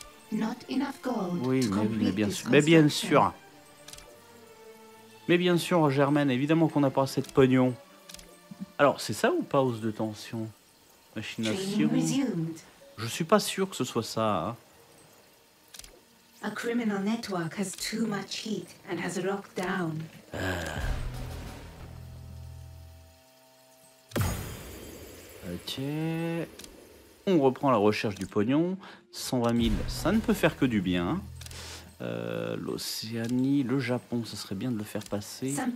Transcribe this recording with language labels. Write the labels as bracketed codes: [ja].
[en] Not enough gold. [fr] Oui, mais bien sûr. Mais bien sûr, Germaine, évidemment qu'on n'a pas assez de pognon. Alors, c'est ça ou pas, hausse de tension? Machination. Je suis pas sûr que ce soit ça. Hein. [en] A criminal network has too much heat and has locked down. [fr] Ok, on reprend la recherche du pognon, 120 000, ça ne peut faire que du bien. L'Océanie, le Japon, ce serait bien de le faire passer.